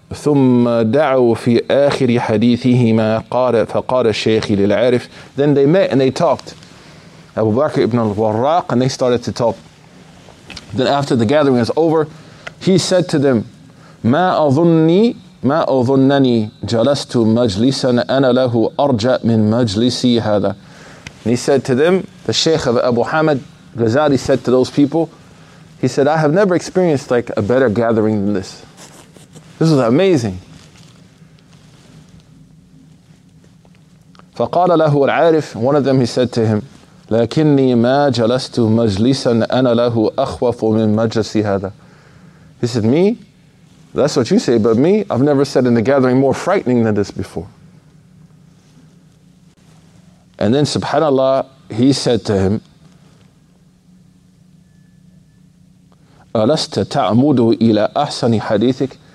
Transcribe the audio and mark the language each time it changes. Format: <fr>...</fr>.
<ar>ثم دعوا في آخر حديثهما قال فقال الشيخ للعارف.</ar> <en>Then they met and they talked. Abu Bakr ibn al-Warraq, and they started to talk. Then after the gathering was over, he said to them,</en> <ar>ما أظنني ما أظنني جلست مجلسا أنا له أرجع من مجلسي هذا.</ar> <en>And he said to them, the Shaykh of Abu Hamad Ghazali said to those people, he said, I have never experienced like a better gathering than this. This is amazing.</en> <ar>فقال له العارف,</ar> <en>one of them, he said to him,</en> <ar>لكني ما جلست مجلسا أنا له أخوف من مجلسي هذا.</ar> <en>He said, me? That's what you say, but me? I've never sat in the gathering more frightening than this before. And then subhanAllah, he said to him,</en> <ar>أَلَسْتَ تَعْمُدُ إِلَىٰ أَحْسَنِ حَدِيثِكَ.</ar>